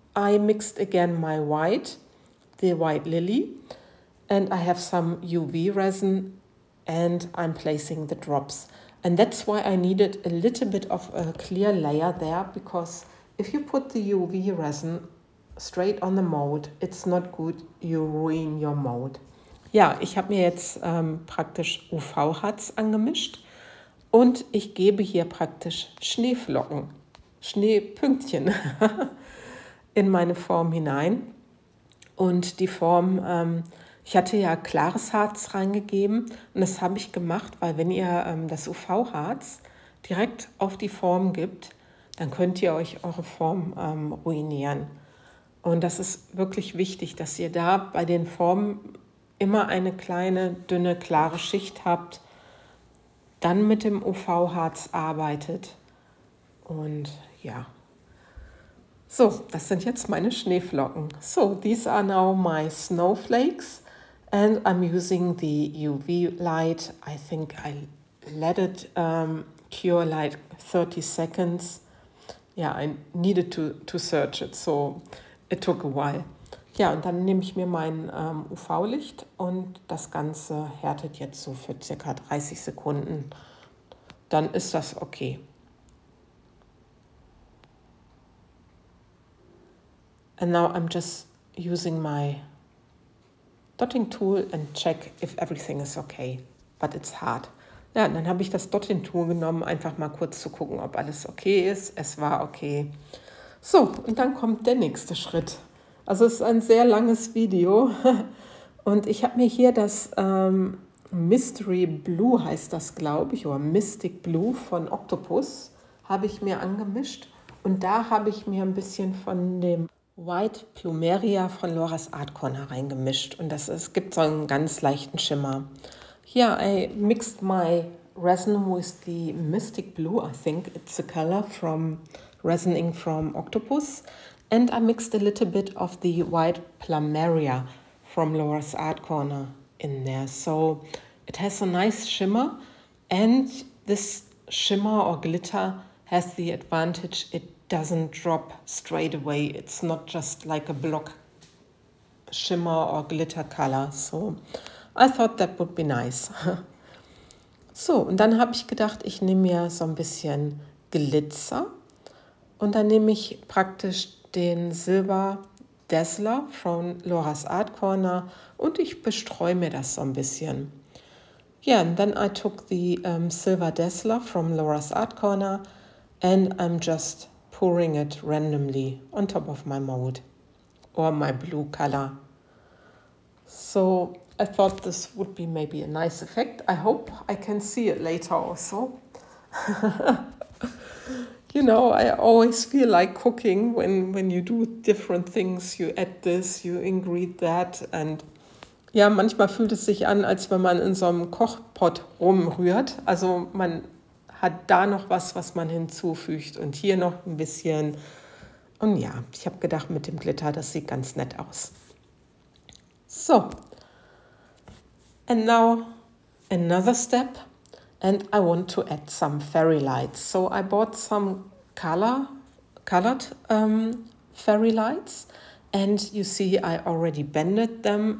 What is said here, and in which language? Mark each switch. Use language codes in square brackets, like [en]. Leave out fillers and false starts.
[en] I mixed again my white, the white lily, and I have some UV resin and I'm placing the drops. And that's why I needed a little bit of a clear layer there, because if you put the UV resin straight on the mold, it's not good, you ruin your mold. [de] Ja, ich habe mir jetzt praktisch UV-Harz angemischt und ich gebe hier praktisch Schneeflocken, Schneepünktchen in meine Form hinein. Und die Form, ich hatte ja klares Harz reingegeben und das habe ich gemacht, weil wenn ihr das UV-Harz direkt auf die Form gibt, dann könnt ihr euch eure Form ruinieren. Und das ist wirklich wichtig, dass ihr da bei den Formen immer eine kleine, dünne, klare Schicht habt, dann mit dem UV-Harz arbeitet. Und ja, so, das sind jetzt meine Schneeflocken. [en] So, these are now my snowflakes and I'm using the UV light. I think I let it cure like 30 seconds. Yeah, I needed to search it, so it took a while. [de] Ja, und dann nehme ich mir mein UV-Licht und das Ganze härtet jetzt so für circa 30 Sekunden. Dann ist das okay. [en] And now I'm just using my dotting tool and check if everything is okay, but it's hard. [de] Ja, und dann habe ich das Dotting Tool genommen, einfach mal kurz zu gucken, ob alles okay ist. Es war okay. So, und dann kommt der nächste Schritt. Also es ist ein sehr langes Video und ich habe mir hier das Mystery Blue, heißt das glaube ich, oder Mystic Blue von Octopus, habe ich mir angemischt und da habe ich mir ein bisschen von dem White Plumeria von Laura's Art Corner reingemischt und es gibt so einen ganz leichten Schimmer. [en] Ja, I mixed my resin with the Mystic Blue, I think it's a color from Resin Ink from Octopus. And I mixed a little bit of the white Plumeria from Laura's Art Corner in there. So it has a nice shimmer. And this shimmer or glitter has the advantage it doesn't drop straight away. It's not just like a block shimmer or glitter color. So I thought that would be nice. [de] So, und dann habe ich gedacht, ich nehme mir so ein bisschen Glitzer. Und dann nehme ich praktisch den Silber Dazzler von Laura's Art Corner und ich bestreue mir das so ein bisschen. [en] Yeah, and then I took the Silver Dazzler from Laura's Art Corner and I'm just pouring it randomly on top of my mold or my blue color. So I thought this would be maybe a nice effect. I hope I can see it later also. You know, I always feel like cooking when you do different things. You add this, you ingredient that, and [de] Ja, manchmal fühlt es sich an, als wenn man in so einem Kochpot rumrührt. Also man hat da noch was, was man hinzufügt und hier noch ein bisschen. Und ja, ich habe gedacht, mit dem Glitter, das sieht ganz nett aus. [en] So, and now another step, and I want to add some fairy lights. So I bought some colored fairy lights, and you see, I already banded them.